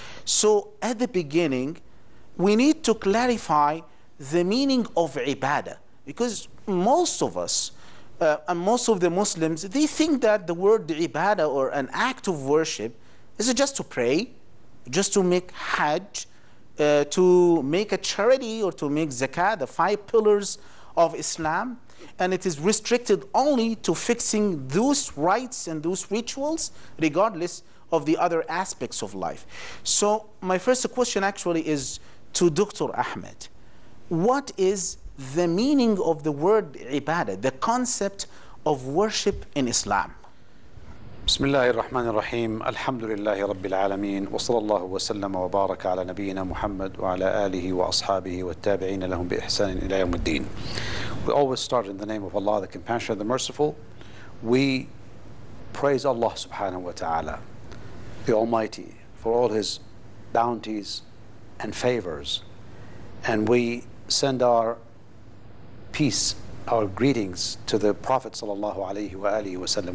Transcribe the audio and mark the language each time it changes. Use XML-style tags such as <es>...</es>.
<en>So at the beginning, we need to clarify the meaning of ibadah, because most of us, and most of the Muslims, they think that the word ibadah, or an act of worship, is just to pray, just to make hajj, to make a charity, or to make zakah, the five pillars of Islam, and it is restricted only to fixing those rites and those rituals, regardless of the other aspects of life. So my first question actually is to Dr. Ahmed. What is the meaning of the word ibadah, the concept of worship in Islam?</en> <ar>بسم الله الرحمن الرحيم الحمد لله رب العالمين وصلى الله وسلم وبارك على نبينا محمد وعلى آله وأصحابه والتابعين لهم بإحسان إلى يوم الدين.</ar> <en>We always start in the name of Allah, the Compassionate, the Merciful. We praise Allah</en> <ar>سبحانه وتعالى,</ar> <en>the Almighty, for all His bounties and favors, and we send our peace, our greetings to the Prophet</en> <ar>صلى الله عليه وآله وسلم.</ar>